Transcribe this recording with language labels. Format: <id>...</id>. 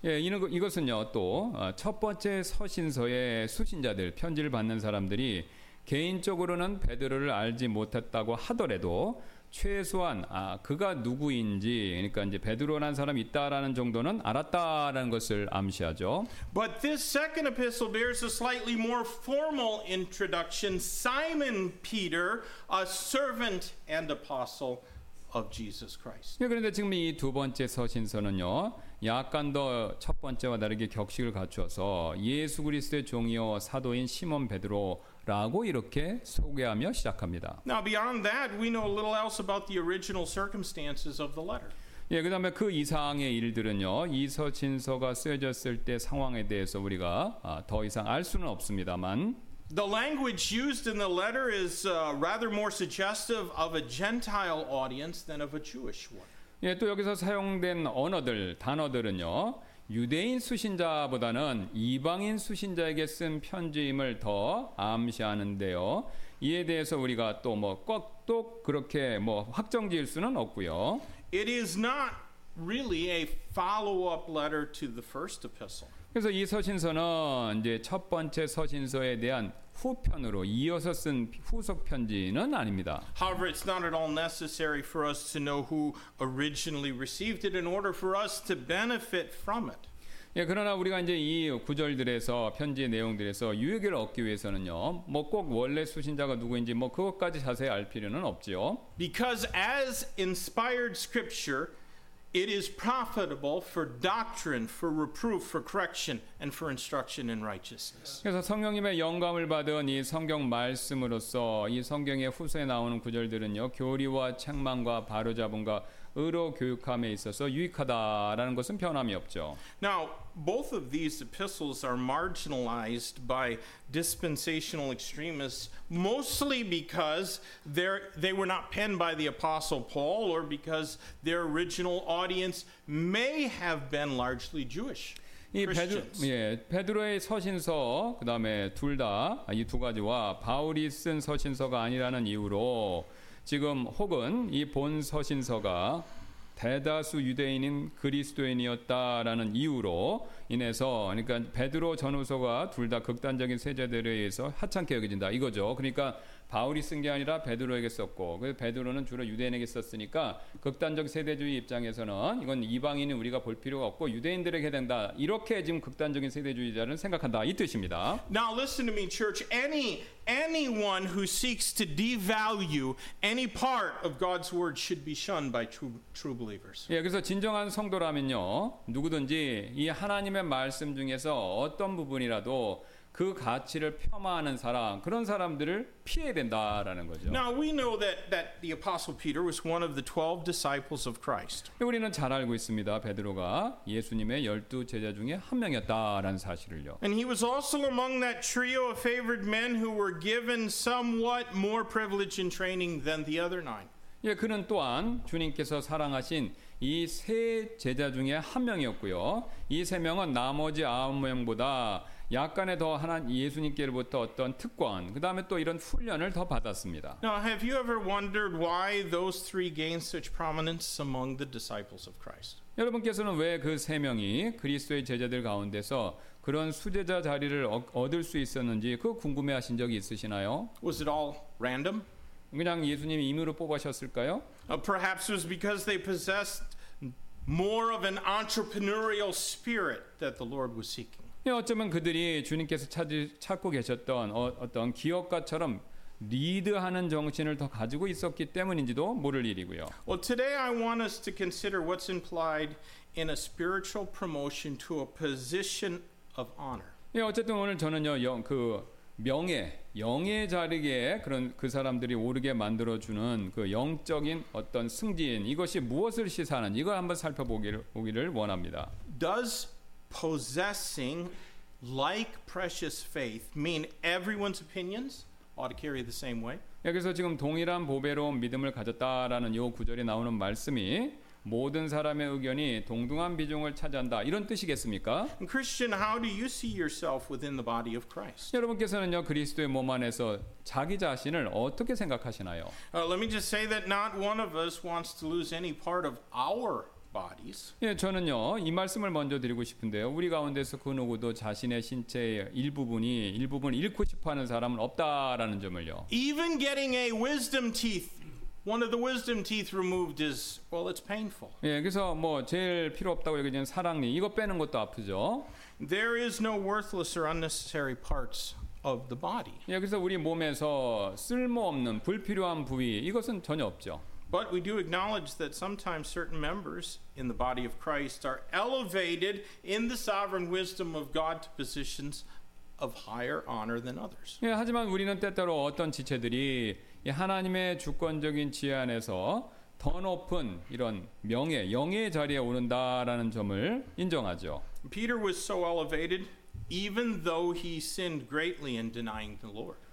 <ko>예, 이것은요. 또 첫 번째 서신서의 수신자들, 편지를 받는 사람들이 개인적으로는 베드로를 알지 못했다고 하더라도 최소한 아 그가 누구인지 그러니까 이제 베드로라는 사람이 있다라는 정도는 알았다라는 것을 암시하죠.</ko> <en>But this second epistle bears a slightly more formal introduction. Simon Peter, a servant and apostle of Jesus Christ.</en> <ko>예, 그런데 지금 이 두 번째 서신서는요. 약간 더 첫 번째와 다르게 격식을 갖추어서 예수 그리스도의 종이요 사도인 시몬 베드로 라고 이렇게 소개하며 시작합니다.</ko> <en>Now beyond that, we know a little else about the original circumstances of the letter.</en> <ko>예, 그다음에 그 이상의 일들은요. 이 서신서가 쓰여졌을 때 상황에 대해서 우리가 더 이상 알 수는 없습니다만</ko> <en>The language used in the letter is rather more suggestive of a Gentile audience than of a Jewish one.</en> <ko>예, 또 여기서 사용된 언어들, 단어들은요. 유대인 수신자보다는 이방인 수신자에게 쓴 편지임을 더 암시하는데요. 이에 대해서 우리가 또 뭐 꼭 그렇게 뭐 확정 지을 수는 없고요.</ko> <en>It is not really a follow-up letter to the first epistle.</en> <ko>그래서 이 서신서는 이제 첫 번째 서신서에 대한 후편으로 이어서 쓴 후속 편지는 아닙니다.</ko> <en>However, it's not at all necessary for us to know who originally received it in order for us to benefit from it.</en> <ko>예, 그러나 우리가 이제 이 구절들에서 편지의 내용들에서 유익을 얻기 위해서는요, 뭐 꼭 원래 수신자가 누구인지 뭐 그것까지 자세히 알 필요는 없지요.</ko> <en>Because as inspired scripture, it is profitable for doctrine, for reproof, for correction, and for instruction in righteousness.</en> <ko>그래서 성령님의 영감을 받은 이 성경 말씀으로서 이 성경의 후서에 나오는 구절들은요, 교리와 책망과 바로잡음과 의로 교육함에 있어서 유익하다라는 것은 변함이 없죠.</ko> <en>Now, both of these epistles are marginalized by dispensational extremists, mostly because they were not penned by the Apostle Paul, or because their original audience may have been largely Jewish.</en> <ko>이 베드로의 서신서 그다음에 둘 다 이 두 가지와 바울이 쓴 서신서가 아니라는 이유로. 지금 혹은 이 본 서신서가 대다수 유대인인 그리스도인이었다라는 이유로 인해서 그러니까 베드로 전후서가 둘 다 극단적인 세제들에 의해서 하찮게 여겨진다 이거죠. 그러니까 바울이 쓴 게 아니라 베드로에게 썼고 그래서 베드로는 주로 유대인에게 썼으니까 극단적 세대주의 입장에서는 이건 이방인은 우리가 볼 필요가 없고 유대인들에게 해당된다 이렇게 지금 극단적인 세대주의자는 생각한다 이 뜻입니다.</ko> <en>Now listen to me, church. Anyone who seeks to devalue any part of God's word should be shunned by true believers.</en> <ko>예, 그래서 진정한 성도라면요 누구든지 이 하나님의 말씀 중에서 어떤 부분이라도 그 가치를 폄하하는 사람 그런 사람들을 피해야 된다라는 거죠.</ko> <en>Now we know that the apostle Peter was one of the 12 disciples of Christ.</en> <ko>우리는 잘 알고 있습니다. 베드로가 예수님의 열두 제자 중에 한 명이었다라는 사실을요.</ko> <en>And he was also among that trio of favored men who were given somewhat more privilege and training than the other nine.</en> <ko>예, 그는 또한 주님께서 사랑하신 이 세 제자 중에 한 명이었고요. 이 세 명은 나머지 아홉 명보다 약간의 더 하나님 예수님께로부터 어떤 특권, 그 다음에 또 이런 훈련을 더 받았습니다.</ko> <en>Now, have you ever wondered why those three gained such prominence among the disciples of Christ?</en> <ko>여러분께서는 왜 그 세 명이 그리스도의 제자들 가운데서 그런 수제자 자리를 얻을 수 있었는지 그 궁금해하신 적이 있으시나요?</ko> <en>Was it all random?</en> <ko>그냥 예수님이 임으로 뽑으셨을까요?</ko> <en>Perhaps it was because they possessed more of an entrepreneurial spirit that the Lord was seeking.</en> <ko>어쩌면 그들이 주님께서 찾고 계셨던 어떤 기업가처럼 리드하는 정신을 더 가지고 있었기 때문인지도 모를 일이고요.</ko> <en>Well, today I want us to consider what's implied in a spiritual promotion to a position of honor.</en> <ko>예, 어쨌든 오늘 저는요, 그 명예, 영의 자리에 그런 그 사람들이 오르게 만들어 주는 그 영적인 어떤 승진, 이것이 무엇을 시사하는 이걸 한번 살펴보기를 원합니다.</ko> <en>Does possessing like precious faith mean everyone's opinions ought to carry the same way?</en> <ko>여기서 지금 동일한 보배로운 믿음을 가졌다라는 요 구절에 나오는 말씀이 모든 사람의 의견이 동등한 비중을 차지한다 이런 뜻이겠습니까?</ko> <en>Christian, how do you see yourself within the body of Christ?</en> <ko>여러분께서는요 그리스도의 몸 안에서 자기 자신을 어떻게 생각하시나요?</ko> <en>Let me just say that not one of us wants to lose any part of our bodies.</en> <ko>예, 저는요 이 말씀을 먼저 드리고 싶은데요. 우리 가운데서 그 누구도 자신의 신체의 일부분을 잃고 싶어하는 사람은 없다라는 점을요.</ko> <en>Even getting a wisdom teeth. One of the wisdom teeth removed is, well, it's painful.</en> <ko>예, 그래서 뭐 제일 필요 없다고 얘기하는 사랑니 이거 빼는 것도 아프죠.</ko> <en>There is no worthless or unnecessary parts of the body.</en> <ko>예, 그래서 우리 몸에서 쓸모없는 불필요한 부위 이것은 전혀 없죠.</ko> <en>But we do acknowledge that sometimes certain members in the body of Christ are elevated in the sovereign wisdom of God to positions of higher honor than others.</en> <ko>예, 하지만 우리는 때때로 어떤 지체들이 하나님의 주권적인 지혜 안에서 더 높은 이런 명예, 영예의 자리에 오른다라는 점을 인정하죠.</ko> <en>Peter was so elevated even though he sinned greatly in denying the Lord.</en>